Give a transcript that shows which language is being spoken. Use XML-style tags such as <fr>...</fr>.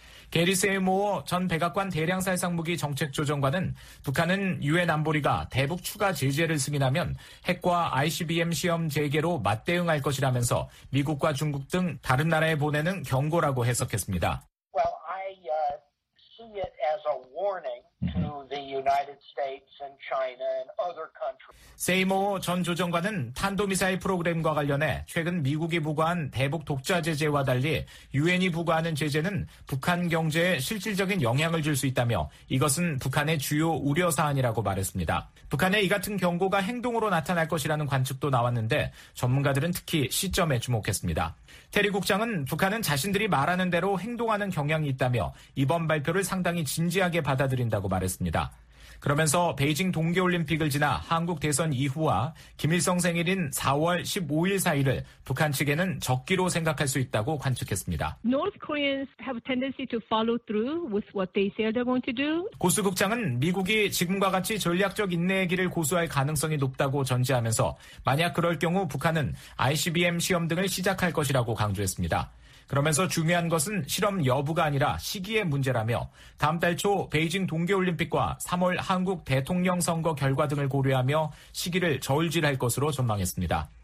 <ko>게리 세이모어 전 백악관 대량살상무기 정책조정관은 북한은 유엔 안보리가 대북 추가 제재를 승인하면 핵과 ICBM 시험 재개로 맞대응할 것이라면서 미국과 중국 등 다른 나라에 보내는 경고라고 해석했습니다.</ko> <en>Well, warning to the United States and China and other countries.</en> <ko>세이모 전 조정관은 탄도미사일 프로그램과 관련해 최근 미국이 부과한 대북 독자 제재와 달리 유엔이 부과하는 제재는 북한 경제에 실질적인 영향을 줄 수 있다며 이것은 북한의 주요 우려 사안이라고 말했습니다. 북한의 이 같은 경고가 행동으로 나타날 것이라는 관측도 나왔는데 전문가들은 특히 시점에 주목했습니다. 테리 국장은 북한은 자신들이 말하는 대로 행동하는 경향이 있다며 이번 발표를 상당히 진지하게 받아들인다고 말했습니다. 그러면서 베이징 동계올림픽을 지나 한국 대선 이후와 김일성 생일인 4월 15일 사이를 북한 측에는 적기로 생각할 수 있다고 관측했습니다.</ko> <en>North Koreans have a tendency to follow through with what they say they're going to do.</en> <ko>고수 국장은 미국이 지금과 같이 전략적 인내의 길을 고수할 가능성이 높다고 전제하면서 만약 그럴 경우 북한은 ICBM 시험 등을 시작할 것이라고 강조했습니다. 그러면서 중요한 것은 실험 여부가 아니라 시기의 문제라며 다음 달 초 베이징 동계올림픽과 3월 한국 대통령 선거 결과 등을 고려하며 시기를 저울질할 것으로 전망했습니다.</ko>